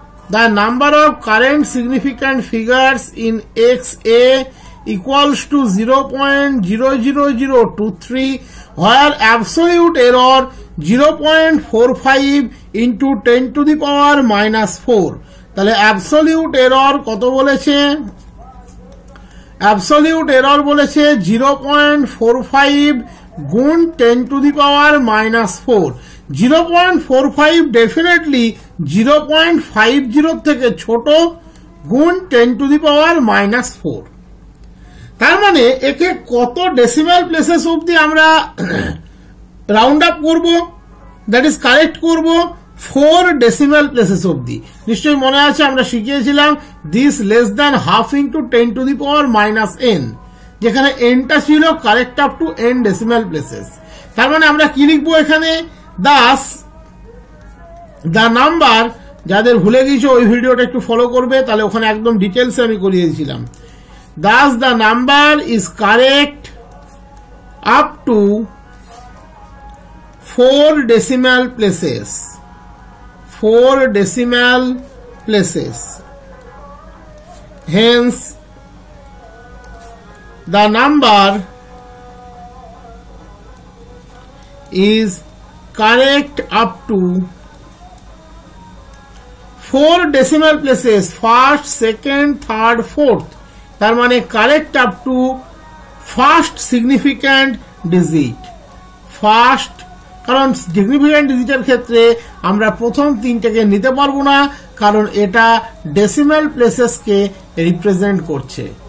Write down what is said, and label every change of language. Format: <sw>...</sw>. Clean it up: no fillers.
<en>The number of current significant figures in XA equals to 0.00023, where absolute error 0.45 into 10 to the power minus 4.</en> <bn>তাহলে absolute error কত বলেছে?</bn> <en>Absolute error বলেছে 0.45 গুণ 10 to the power minus 4. 0.45 definitely 0.50</en> <bn>থেকে ছোট গুণ</bn> <en>10 to the power minus 4.</en> <bn>তার মানে একে কত decimal places অবধি আমরা</bn> <en>round up</en> <bn>করব,</bn> <en>that is correct</en> <bn>করব,</bn> <en>4 decimal places</en> <bn>অবধি. নিশ্চয়ই মনে আছে আমরা শিখিয়েছিলাম</bn> <en>this less than half into 10 to the power minus n,</en> <bn>যেখানে n টা ছিল</bn> <en>correct up to n decimal places.</en> <bn>তার মানে আমরা কি লিখবো এখানে?</bn> <en>Thus, the number,</en> <bn>যাদের ভুলে গেছো ওই ভিডিওটা একটু ফলো করবে, তাহলে ওখানে একদম ডিটেইলস আমি করিয়েছিলাম.</bn> <en>Thus, the number is correct up to 4 decimal places. 4 decimal places. Hence, the number is correct up to 4 decimal places. First, second, third, fourth.</en> <bn>তার মানে</bn> <en>correct up to first significant digit, first,</en> <bn>কারণ significant ডিজিটের ক্ষেত্রে আমরা প্রথম তিনটাকে নিতে পারবো না, কারণ এটা ডেসিমাল প্লেসেসকে রিপ্রেজেন্ট করছে.</bn>